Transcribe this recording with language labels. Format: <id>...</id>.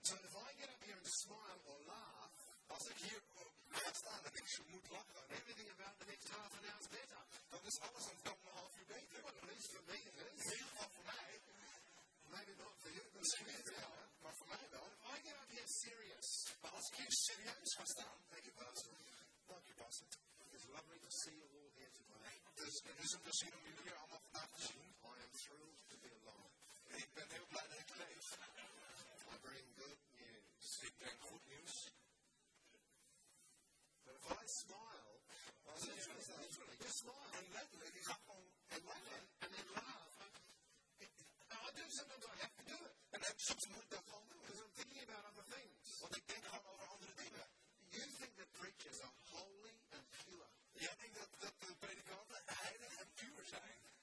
<en>So if I get up here and smile or laugh,</en> <nl>als ik hier opstaan en ik moet lachen,</nl> <en>everything about the next half an hour is better.</en> <nl>Dan is alles een komende half uur beter.</nl> <en>Well, at least for me it is.</en> <nl>In ieder geval voor mij.</nl> <en>Maybe not for you,</en> <nl>maar voor mij wel.</nl> <en>I get up here serious.</en> <nl>Maar als ik hier serieus ga staan.</nl> <en>Thank you, Pastor. Thank you, Pastor. It's lovely to see you all here today.</en> <nl>Het is een plezier om jullie hier allemaal vandaag te zien.</nl> <en>I am thrilled to be alive.</en> <nl>Ik ben heel blij dat ik leef.</nl> <en>I bring good news.</en> <nl>Ik breng goed nieuws.</nl> <en>But if I smile, just smile.</en> <nl>And letterlijk, ik ga gewoon lachen.</nl> <en>And then laugh. I do, sometimes I have to do it. And then</en> <nl>soms moet ik dat gewoon doen.</nl> <en>Because I'm thinking about other things.</en> <nl>Want ik denk gewoon over andere dingen.</nl> <en>You think that preachers are holy and pure.</en> <nl>Jij denkt dat de predikanten heilig en puur zijn.</nl>